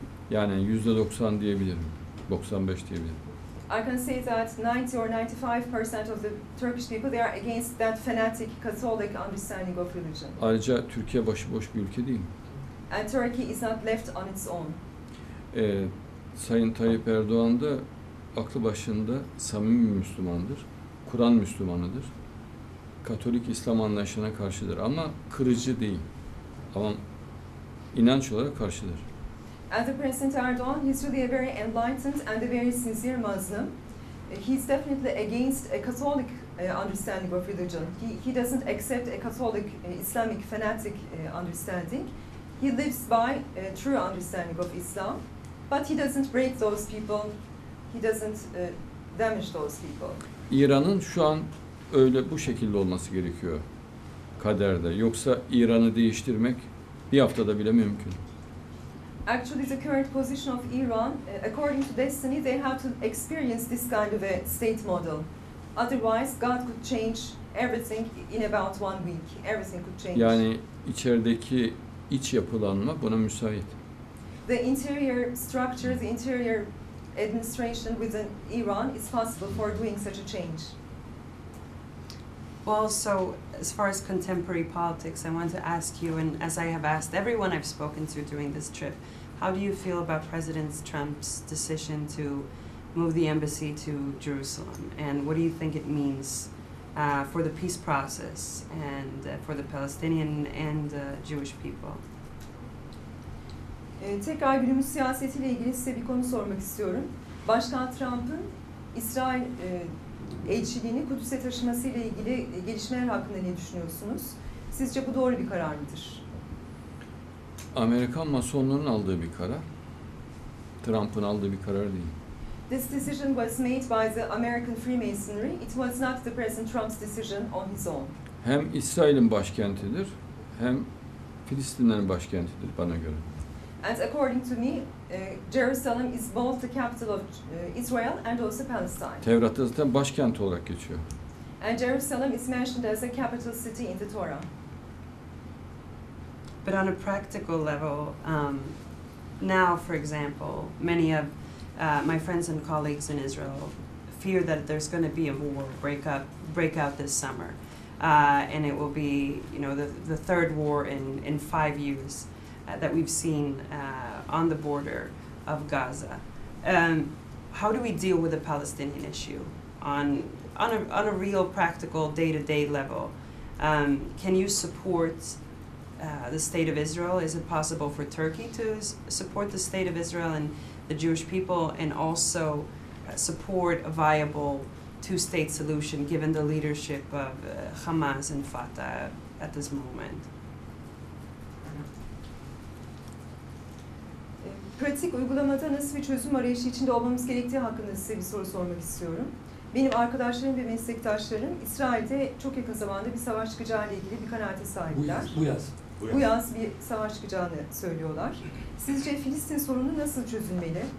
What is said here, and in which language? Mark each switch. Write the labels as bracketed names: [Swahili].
[Turkish] Yani %90 diyebilirim, 95 diyebilirim. [English] I can say that 90 or 95% of the Turkish people, they are against that fanatic Catholic understanding of religion. [Turkish] Ayrıca Türkiye başıboş bir ülke değil. [English] And Turkey is not left on its own. [Turkish] Sayın Tayyip Erdoğan da aklı başında samimi bir Müslümandır. Kur'an Müslümanıdır. Katolik İslam anlayışına karşıdır ama kırıcı değil. Ama inanç olarak karşıdır. [English] And the President Erdoğan, he's really a very enlightened and a very sincere Muslim. He's definitely against a Catholic understanding of religion. He doesn't accept a Catholic Islamic fanatic understanding. He lives by a true understanding of Islam, but he doesn't break those people, he doesn't damage those people. [Turkish] İran'ın şu an öyle bu şekilde olması gerekiyor kaderde. Yoksa İran'ı değiştirmek bir haftada bile mümkün. [English] Actually, the current position of Iran, according to destiny, they have to experience this kind of a state model. Otherwise, God could change everything in about one week. Everything could change. [Turkish] Yani içerideki İç yapılanma buna müsait. [English] The interior structure, the interior administration within Iran is possible for doing such a change. Well, so as far as contemporary politics, I want to ask you, and as I have asked everyone I've spoken to during this trip, how do you feel about President Trump's decision to move the embassy to Jerusalem? And what do you think it means for the peace process and for the Palestinian and Jewish people? [Turkish] Tekrar günümüz siyasetiyle ilgili size bir konu sormak istiyorum. Başkan Trump'ın İsrail elçiliğini Kudüs'e taşımasıyla ilgili gelişmeler hakkında ne düşünüyorsunuz? Sizce bu doğru bir karar mıdır? Amerikan masonlarının aldığı bir karar. Trump'ın aldığı bir karar değil. [English] This decision was made by the American Freemasonry. It was not the President Trump's decision on his own. [Turkish] Hem İsrail'in başkentidir, hem Filistinlerin başkentidir bana göre. [English] And according to me, Jerusalem is both the capital of Israel and also Palestine. [Turkish] Tevrat'ta zaten başkent olarak geçiyor. [English] And Jerusalem is mentioned as a capital city in the Torah. But on a practical level, now, for example, many of my friends and colleagues in Israel fear that there's going to be a war breakout this summer, and it will be, you know, the third war in 5 years that we've seen on the border of Gaza. How do we deal with the Palestinian issue on a real practical day-to-day level? Can you support the state of Israel? Is it possible for Turkey to support the state of Israel and the Jewish people, and also support a viable two-state solution given the leadership of Hamas and Fatah at this moment? [Turkish] Pratik uygulamada nasıl bir çözüm arayışı içinde olmamız gerektiği hakkında size bir soru sormak istiyorum. Benim arkadaşlarım ve meslektaşlarım İsrail'de çok yakın zamanda bir savaş çıkacağıyla ilgili bir kanaate sahipler. Bu yaz bir savaş çıkacağını söylüyorlar. Sizce Filistin sorunu nasıl çözülmeli?